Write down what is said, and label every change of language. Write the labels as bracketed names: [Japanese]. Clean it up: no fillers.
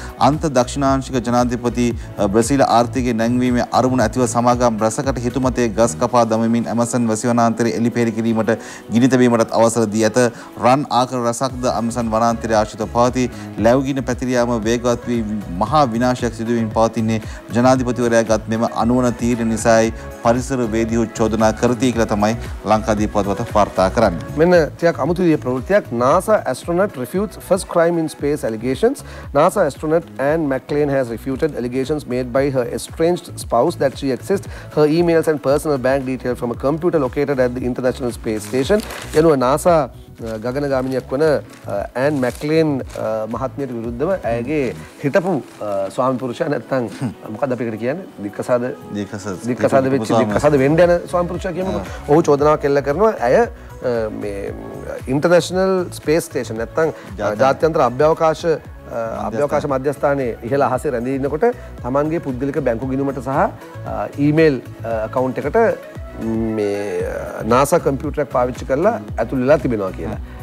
[Sinhala] අන්ත දක්ෂිණාංශික ජනාධිපති බ්‍රසීල ආර්ථිකයේ නැංවීමේ අරමුණ ඇතිව සමාගම් රසකට හිතුමතේ ගස් කපා දමමින් ඇමසන් වසිවනාන්තරයේ එලිපෙහෙළි කිරීමට ගිනි තැබීමටත් අවසර දී ඇත. රන් ආකර රසක්ද ඇමසන් වනාන්තරයේ ආශ්‍රිතව පවතී. ලැව්ගින පැතිරියාම වේගවත් වී මහා විනාශයක් සිදු වීමෙන් පවතින්නේ ජනාධිපතිවරයාගත් මෙම අනුවණ තීරණ නිසායි පරිසර වේදීහු චෝදනා කරති කියලා තමයි ලංකාදීප පුවත්පත් වාර්තා කරන්නේ. මෙන්න ටිකක් අමුතු විදිය ප්‍රවෘත්තියක්. [English] NASA astronaut refutes first crime in space allegations. NASA astronaut Anne McLean has refuted allegations made by her estranged spouse that she accessed her emails and personal bank details from a computer located at the International Space Station. You know, [Sinhala] NASA ගගනගාමිනියක් වන and McLane මහත්මියට විරුද්ධව ඇයගේ හිටපු ස්වාමි පුරුෂයා නැත්තම් මොකද අපි එකට කියන්නේ දික්කසාද වෙච්ච දික්කසාද වෙන්න යන ස්වාමි පුරුෂයා කියනවා. ඔහු චෝදනාවක් එල්ල කරනවා ඇය මේ ඉන්ටර්නැෂනල් ස්පේස් ස්ටේෂන් නැත්තම් ජාත්‍යන්තර අභ්‍යවකාශ මධ්‍යස්ථානයේ ඉහළ අහසේ රැඳී ඉන්නකොට තමන්ගේ පුද්ගලික බැංකු ගිණුමට සහ ඊමේල් අකවුන්ට් එකට මේ NASA කම්පියුටර් එක පාවිච්චි කරලා ඇතුළු වෙලා තිබෙනවා කියලා.